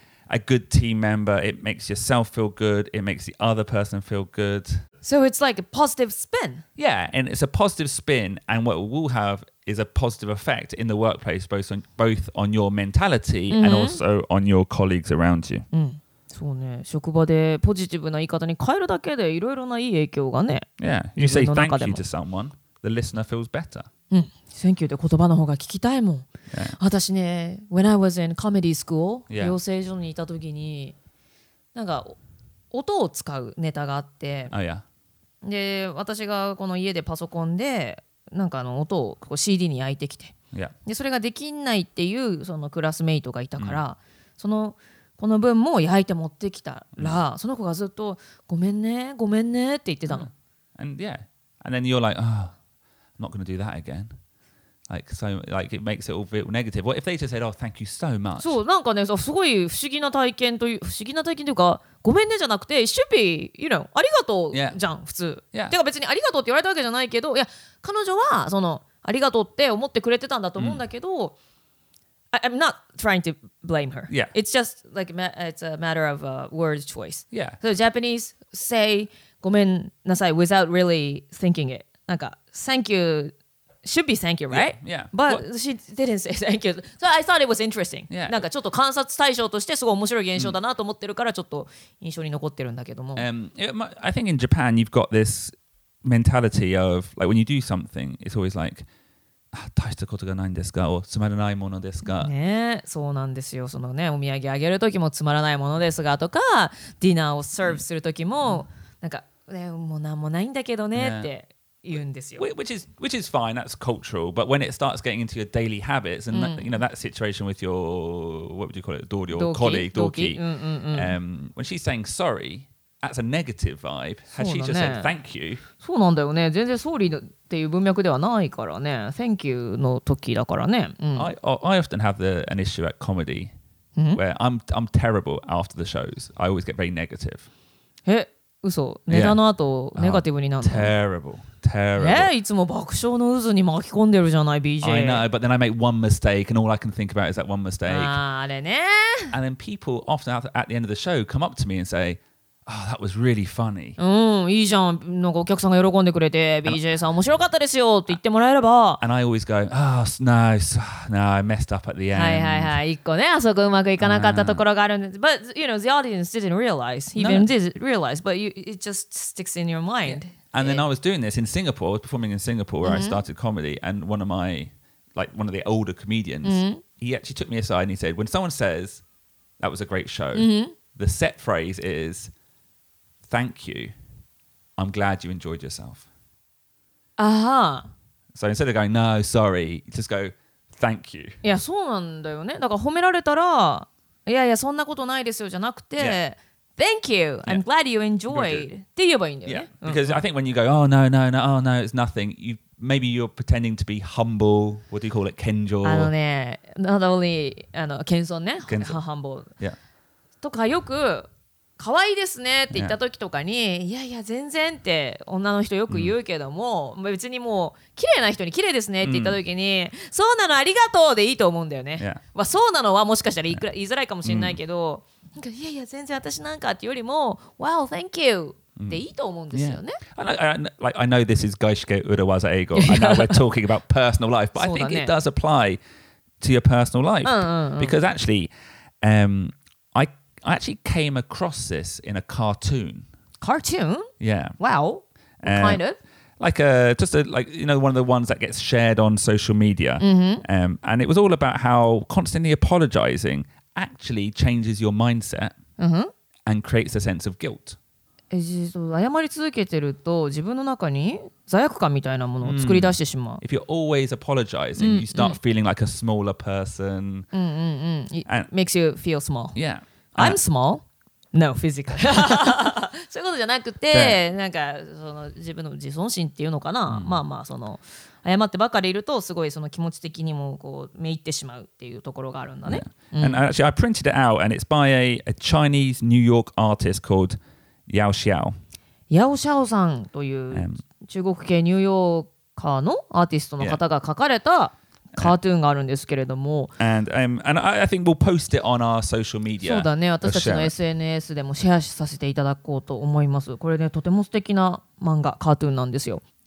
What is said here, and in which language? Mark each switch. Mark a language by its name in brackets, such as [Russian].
[English] a good team member It makes yourself feel good It makes the other person feel good So it's like a positive spin. Yeah, and it's a positive spin, and what it will have is a positive effect in the workplace, both on your mentality、mm-hmm. and also on your colleagues around you.、 Mm. [Japanese] そうね、職場でポジティブな言い方に変えるだけでいろいろないい影響がね。 [English] Yeah, you say thank you to someone. the listener feels better. Thank you. [Japanese] って言葉の方が聞きたいもん。 [English] Yeah. [Japanese] 私ね、 [English] when I was in comedy school、yeah. [Japanese] 養成所にいた時に、なんか音を使うネタがあって、 [English] oh, yeah. [Japanese] で私がこの家でパソコンでなんかあの音をこう CD に焼いてきて、 [English] yeah. [Japanese] でそれができないっていうそのクラスメイトがいたから、mm. そのこの分も焼いて持ってきたら、mm. その子がずっとごめんね、ごめんねって言ってたの。 [English] Yeah. And yeah, and then you're like, oh, I'm not going to do that again. Like, so, like, it makes it all feel negative. What if they just said, oh, thank you so much? [Japanese] そう、なんかね、すごい不思議な体験という、不思議な体験というか、ごめんねじゃなくて、 [English] should be, you know, [Japanese] ありがとうじゃん、 [English] yeah. [Japanese] 普通。 [English] Yeah. [Japanese] てか別にありがとうって言われたわけじゃないけど、いや、彼女は、その、ありがとうって思ってくれてたんだと思うんだけど、mm. [English] I'm not trying to blame her. Yeah. It's just, like, it's a matter of a word choice. Yeah. So, Japanese say, [Japanese] ごめんなさい [English] without really thinking it. [Japanese] なんか、 [English] thank you,Should be thank you, right? Yeah. yeah. But well, she didn't say thank you. So I thought it was interesting. Yeah. [Japanese] なんかちょっと観察対象としてすごい面白い現象だなと思ってるからちょっと印象に残ってるんだけども。 [English] I think in Japan you've got this mentality of like when you do something, it's always like, [Japanese] 大したことがないんですか? [English] or [Japanese] つまらないものですか? ね、そうなんですよ。そのね、お土産あげるときもつまらないものですがとか、ディナーをサーブするときも、なんか、もうなんもないんだけどねって。 [English] Yeah. Which is fine, that's cultural, but when it starts getting into your daily habits and that, you know, that situation with your, what would you call it, 同僚, colleague, [Japanese] 同期, [English] when she's saying sorry, that's a negative vibe, had she just said thank you. [Japanese] そうなんだよね、全然 sorry っていう文脈ではないからね、 [English] thank you [Japanese] の時だからね。 [English] I often have an issue at comedy where I'm terrible after the shows, I always get very negative. [Japanese] え?嘘、ネタの後、yeah. ネガティブになる。 [English] Oh, terrible, terrible. [Japanese] いつも爆笑の渦に巻き込んでるじゃない、BJ。 [English] I know, but then I make one mistake, and all I can think about is that one mistake. [Japanese] あれね。 [English] And then people often at the end of the show come up to me and say, oh, that was really funny. [Japanese] いいじゃん。なんかお客さんが喜んでくれて、BJ さん面白かったですよって言ってもらえれば。 [English] And I always go, oh, no, so, no, I messed up at the end. [Japanese] はいはいはい。一個ね、あそこうまくいかなかったところがあるんです。 [English] But, you know, the audience didn't realize. Even did realize, but it just sticks in your mind. Yeah. And then I was doing this in Singapore. I was performing in Singapore where I started comedy. And one of the older comedians, he actually took me aside and he said, when someone says, that was a great show, the set phrase is,Thank you. I'm glad you enjoyed yourself. Uh-huh. So instead of going, no, sorry, just go, thank you. [Japanese] Yeah, そうなんだよね。だから褒められたら、いやいや、そんなことないですよ、じゃなくて、yeah. [English] thank you. I'm yeah. glad you enjoyed. [Japanese] って言えばいいんだよね。 [English] Yeah. Because I think when you go, oh, no, no, no, oh, no, it's nothing. Maybe you're pretending to be humble. What do you call it? 謙譲。 [Japanese] あのね、 [English] not only, [Japanese] あの、謙遜ね。謙遜。 [English] Humble. Yeah. [Japanese] とかよく、可愛いですねって言った時とかに、yeah. いやいや全然って女の人よく言うけども、mm. 別にもう綺麗な人に綺麗ですねって言った時に、mm. そうなのありがとうでいいと思うんだよね、 [English] yeah. [Japanese] まあ、そうなのはもしかしたら言いづらいかもしれないけど、mm. いやいや全然私なんかってよりも [English] Wow, thank you [Japanese] でいいと思うんですよね、 [English] yeah. I know this is 外資系裏技英語 I know we're talking about personal life But I think、ね、it does apply to your personal life Because actually、I actually came across this in a cartoon. Cartoon? Yeah. Wow. Kind of. Like a, just a, like, you know, one of the ones that gets shared on social media. Mm-hmm. And it was all about how constantly apologizing actually changes your mindset and creates a sense of guilt. [Japanese] 謝り続けてると自分の中に罪悪感みたいなものを作り出してしまう。 [English] If you're always apologizing, you start feeling like a smaller person. It makes you feel small. Yeah. I'm small? No, physically. [Japanese] そういうことじゃなくて、なんかその自分の自尊心っていうのかな、まあまあその謝ってばかりいるとすごいその気持ち的にもこう目いってしまうっていうところがあるんだね。 [English] And actually, I printed it out, and it's by a Chinese New York artist called Yao Xiao. [Japanese] Yao Xiao さんという中国系ニューヨーカーのアーティストの方が描かれた。カートゥーンがあるんですけれども [English] and I think we'll post it on our social media [Japanese] そうだね私たちの SNS でもシェアさせていただこうと思いますこれねとても素敵な漫画カートゥーンなんですよ